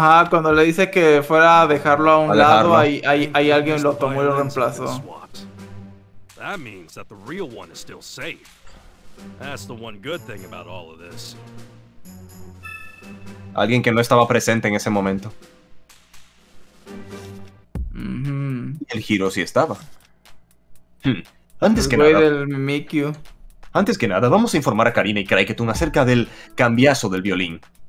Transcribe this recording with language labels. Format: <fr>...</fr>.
<es>Cuando le dice que fuera a dejarlo a un lado, ahí alguien lo tomó y lo reemplazó.</es> <en>That means that the real one is still safe. That's the one good thing about all of this.</en> <es>Alguien que no estaba presente en ese momento. El giro sí estaba. Antes el que nada. Del Mikyu. Antes que nada, vamos a informar a Karina y Cricketon acerca del cambiazo del violín.</es>